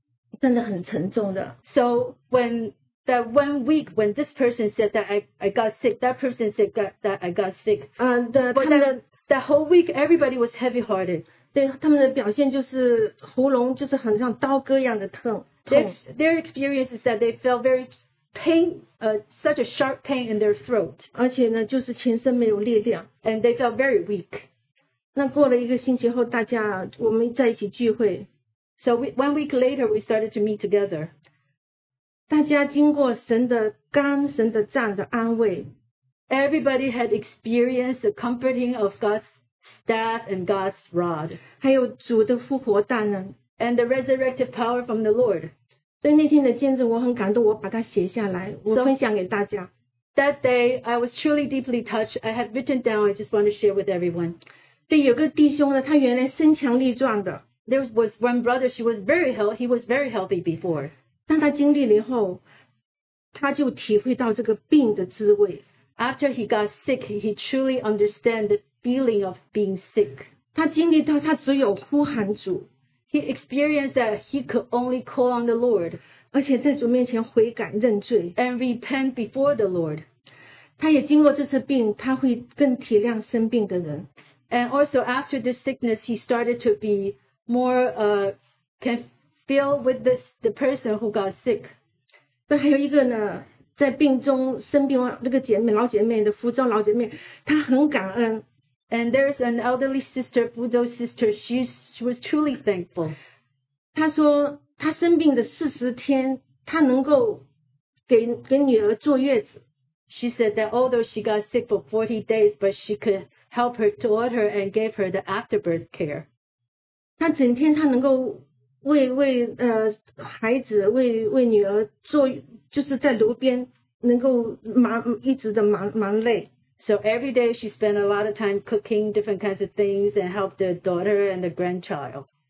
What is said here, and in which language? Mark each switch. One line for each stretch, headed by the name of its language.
Chinese: 我底下就做见证，就是说一个星期，大家那天那时候就是说好像这个说中了，这个说中了，周围都每个人都说中了的时候，大家的心里真的很沉重的。
English: So when that 1 week when this person said that I got sick, that person said that I got sick. But that whole week, everybody was heavy-hearted.
Chinese: 对，他们的表现就是喉咙就是很像刀割一样的痛。
English: Their experience is that they felt very pain, such a sharp pain in their throat.
Chinese: 而且呢，就是全身没有力量。
English: And they felt very weak.
Chinese: 那过了一个星期后，大家我们在一起聚会。
English: So one week later, we started to meet together.
Chinese: 大家经过神的甘、神的杖的安慰。
English: Everybody had experienced the comforting of God's staff and God's rod.
Chinese: 还有主的复活大能。
English: And the resurrective power from the Lord.
Chinese: 所以那天的见证我很感动，我把它写下来，我分享给大家。
English: That day, I was truly deeply touched. I had written down, I just want to share with everyone.
Chinese: 对，有个弟兄呢，他原来身强力壮的。
English: There was one brother, he was very healthy before.
Chinese: 但他经历了以后，他就体会到这个病的滋味。
English: After he got sick, he truly understand the feeling of being sick.
Chinese: 他经历到他只有呼喊主。
English: He experienced that he could only call on the Lord.
Chinese: 而且在主面前悔改认罪。
English: And repent before the Lord.
Chinese: 他也经过这次病，他会更体谅生病的人。
English: And also after this sickness, he started to be more, can feel with this, the person who got sick.
Chinese: 那还有一个呢，在病中生病那个姐妹，老姐妹的福州老姐妹，她很感恩。
English: And there's an elderly sister, Fuzhou sister, she was truly thankful.
Chinese: 她说她生病的40天，她能够给女儿坐月子。
English: She said that although she got sick for 40 days, but she could help her to order and gave her the afterbirth care.
Chinese: 她整天她能够为孩子为女儿坐，就是在炉边能够忙累。
English: So every day she spent a lot of time cooking different kinds of things and helped the daughter and the grandchild.